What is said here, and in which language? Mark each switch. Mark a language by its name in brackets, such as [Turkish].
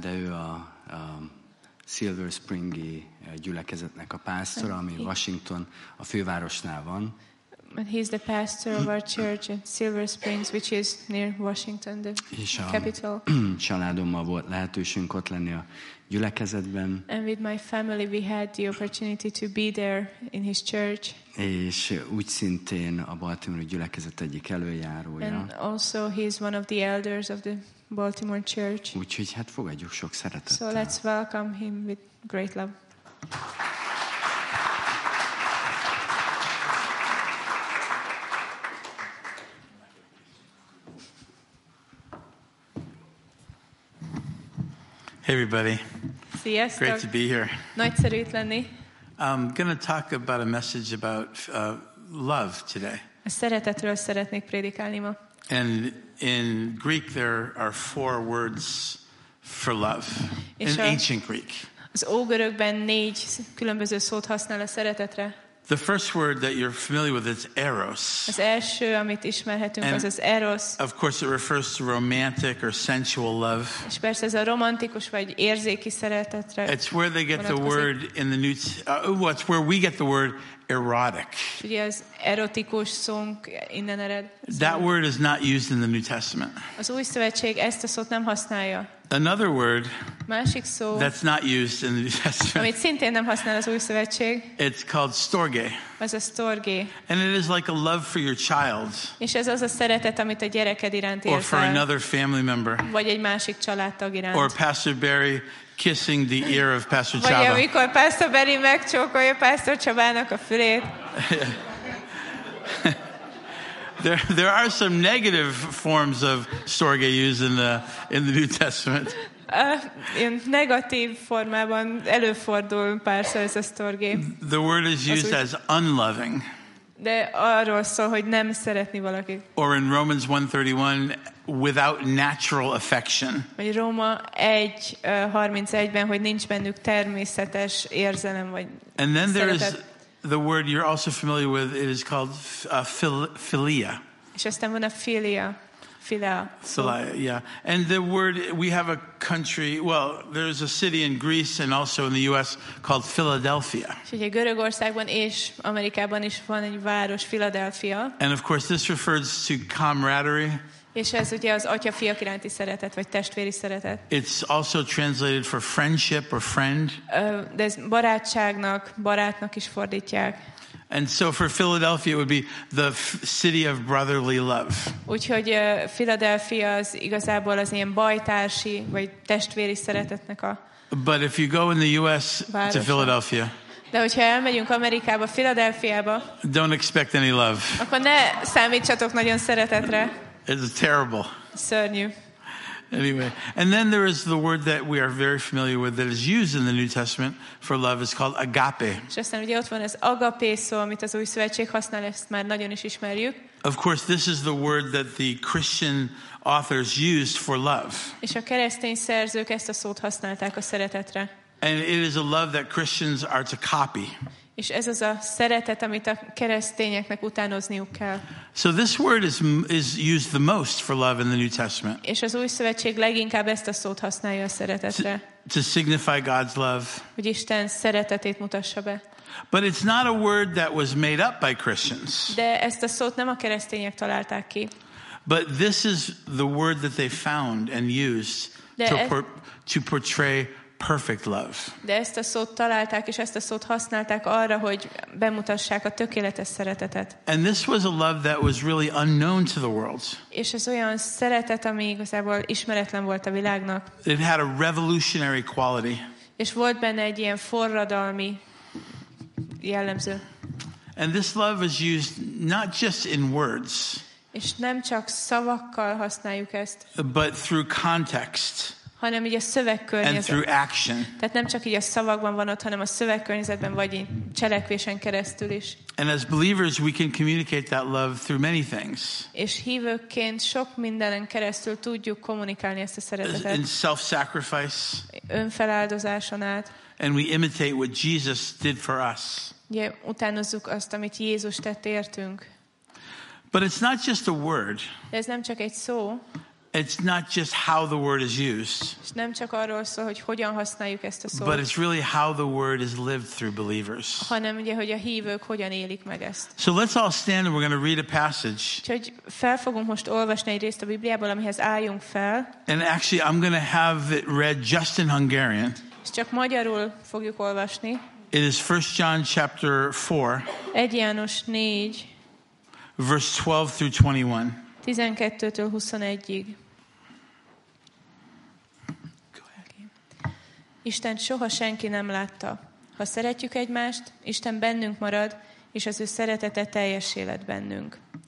[Hungarian] De ő a Silver Springi gyülekezetnek a pásztora, ami Washington, a fővárosnál van. [English] And he's the pastor of our church at Silver Springs, which is near Washington, the capital. [Hungarian] Családommal volt lehetőségünk ott lenni a gyülekezetben. [English] And with my family we had the opportunity to be there in his church. [Hungarian] És úgy szintén a Baltimore gyülekezet egyik előjárója. [English] And also he's one of the elders of the Baltimore church. [Hungarian] Úgyhogy hát fogadjuk sok szeretettel. [English] So let's welcome him with great love. Hey everybody! [Hungarian] Sziasztok. [English] Great to be here. [Hungarian] Nagyszerű itt lenni. [English] I'm going to talk about a message about love today. [Hungarian] A szeretetről szeretnék prédikálni ma. [English] And in Greek there are four words for love. In ancient Greek. [Hungarian] Az ógörögben négy különböző szót használ a szeretetre. [English] The first word that you're familiar with is eros. [Hungarian] Az első, amit ismerhetünk, [English] and [Hungarian] az eros. [English] Of course, it refers to romantic or sensual love. [Hungarian] És persze ez a romantikus vagy érzéki szeretetre. [English] It's where they get the word in the new. It's where we get the word erotic. [Hungarian] Ugye az erotikus szónk innen ered. [English] That word is not used in the New Testament. [Hungarian] Az Új Szövetség ezt a szót nem használja. [English] Another word [Hungarian] másik szó, [English] that's not used in the New Testament, [Hungarian] amit szintén nem használ az Új Szövetség, [English] it's called storge. [Hungarian] Ez a storge. [English] And it is like a love for your child. [Hungarian] És ez az a szeretet, amit a gyereked iránt érzel. [English] Or for another family member. [Hungarian] Vagy egy másik családtag iránt. [English] Or Pastor Barry kissing the ear of Pastor Chaba. [Hungarian] Vagy amikor Pastor Barry megcsókolja Pastor Chabának a fülét. [English] There are some negative forms of storge used in the New Testament. [Hungarian] In negatív formában előfordul párszor ez a storge. [English] The word is used as unloving. [Hungarian] De arról szól, hogy nem szeretni valakit. [English] Or in Romans 1:31, without natural affection. [Hungarian] Vagy Róma 1:31-ben, hogy nincs bennük természetes érzelem vagy szeretet. [English] And then there is the word you're also familiar with. It is called philia. [Hungarian] És aztán van a philia. [English] Philia, yeah. And the word, we have a country, well, there's a city in Greece and also in the U.S. called Philadelphia. [Hungarian] Görögországban és Amerikában is van egy város, Philadelphia. [English] And of course, this refers to camaraderie. [Hungarian] És ez ugye az atya-fiak iránti szeretet, vagy testvéri szeretet. [English] It's also translated for friendship or friend. [Hungarian] De ez barátságnak, barátnak is fordítják. [English] And so for Philadelphia it would be the city of brotherly love. [Hungarian] Úgyhogy Philadelphia az igazából az ilyen bajtársi vagy testvéri szeretetnek a. [English] But if you go in the US [Hungarian] városa [English] to Philadelphia. [Hungarian] De hogyha elmegyünk Amerikába, Philadelphiába. [English] Don't expect any love. [Hungarian] Akkor ne számítsatok nagyon szeretetre. [English] It's terrible. [Hungarian] Szörnyű. [English] Anyway, and then there is the word that we are very familiar with that is used in the New Testament for love is called agape. [Hungarian] Aztán ugye ott van az agape szó, amit az Új Szövetség használ, ezt már nagyon is ismerjük. [English] Of course, this is the word that the Christian authors used for love. [Hungarian] És a keresztény szerzők ezt a szót használták a szeretetre. [English] And it is a love that Christians are to copy. [Hungarian] És ez az a szeretet, amit a keresztényeknek utánozniuk kell. [English] So this word is used the most for love in the New Testament. [Hungarian] És az Új Szövetség leginkább ezt a szót használja a szeretetre. [English] To signify God's love. [Hungarian] Hogy Isten szeretetét mutassa be. [English] But it's not a word that was made up by Christians. [Hungarian] De ezt a szót nem a keresztények találták ki. [English] But this is the word that they found and used to portray perfect love. [Hungarian] De ezt a szót találták és ezt a szót használták arra, hogy bemutassák a tökéletes szeretetet. [English] And this was a love that was really unknown to the world. [Hungarian] És ez olyan szeretet, ami igazából ismeretlen volt a világnak. [English] It had a revolutionary quality. [Hungarian] És volt benne egy ilyen forradalmi jellemző. [English] And this love is used not just in words. [Hungarian] És nem csak szavakkal használjuk ezt. [English] But through context. [Hungarian] Hanem így a szövegkörnyezet. [English] And through action. [Hungarian] Tehát nem csak így a szavakban van ott, hanem a szövegkörnyezetben vagy így cselekvésen keresztül is. [English] And as believers we can communicate that love through many things. [Hungarian] És hívőként sok mindenen keresztül tudjuk kommunikálni ezt a szeretetet. [English] In self-sacrifice. [Hungarian] Önfeláldozáson át. [English] And we imitate what Jesus did for us. [Hungarian] Ugye, utánozzuk azt, amit Jézus tett értünk. [English] But it's not just a word. [Hungarian] Ez nem csak egy szó. [English] It's not just how the word is used. [Hungarian] És nem csak arról szól, hogy hogyan használjuk ezt a szót. [English] But it's really how the word is lived through believers. [Hungarian] Hanem ugye, hogy a hívők hogyan élik meg ezt. [English] So let's all stand and we're going to read a passage. [Hungarian] Úgyhogy fel fogunk most olvasni egy részt a Bibliából, amihez álljunk fel. [English] And actually I'm going to have it read just in Hungarian. [Hungarian] És csak magyarul fogjuk olvasni. [English] It is 1 John chapter 4. [Hungarian] 1 János 4. [English] Verse 12 through 21. [Hungarian] 12-től 21-ig. Isten soha senki nem látta. Ha szeretjük egymást, Isten bennünk marad, és az ő szeretete teljessé lett bennünk.